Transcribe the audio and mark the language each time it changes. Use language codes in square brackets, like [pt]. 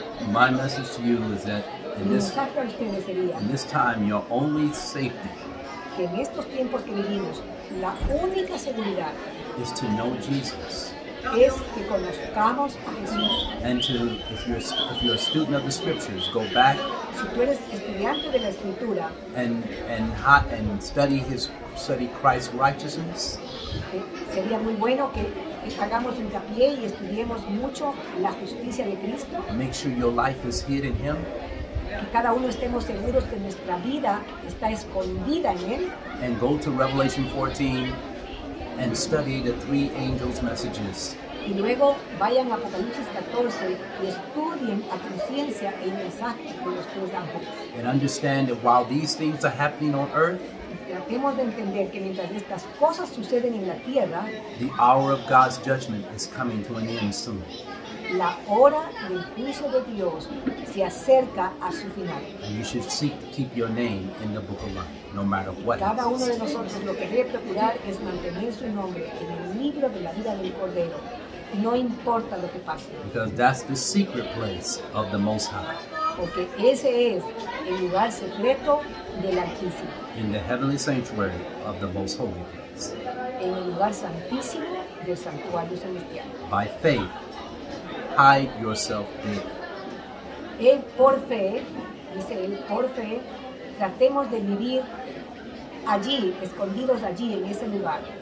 [en] My message to you is that in this time your only safety [es] que en estos tiempos que vivimos, la única seguridad [en] is to know Jesus. [es] Es que conozcamos a Jesús. [en] And to, if you're a student of the scriptures, go back. [es] Si tú eres estudiante de la escritura. [en] And study Christ's righteousness. [es] Sería muy bueno que hagamos hincapié y estudiemos mucho la justicia de Cristo. [en] Make sure your life is hid in Him. [es] Que cada uno estemos seguros que nuestra vida está escondida en Él. [en] And go to Revelation 14. And study the three angels' messages. [es] Y luego vayan a Apocalipsis 14 y estudien a conciencia el mensaje de los tres ángeles. [en] And understand that while these things are happening on earth, [es] tratemos de entender que mientras estas cosas suceden en la tierra, [en] the hour of God's judgment is coming to an end soon. [es] La hora del juicio de Dios se acerca a su final. [en] And you should seek to keep your name in the book of life, no matter what. [es] Cada uno de nosotros lo que debe procurar es mantener su nombre en el libro de la vida del Cordero, no importa lo que pase. [en] Because that's the secret place of the Most High. [es] Porque ese es el lugar secreto del Altísimo. [en] In the heavenly sanctuary of the Most Holy Place. [es] En el lugar santísimo del santuario celestial. [en] By faith. Hide yourself there. [es] Él por fe, dice él por fe, tratemos de vivir allí, escondidos allí en ese lugar.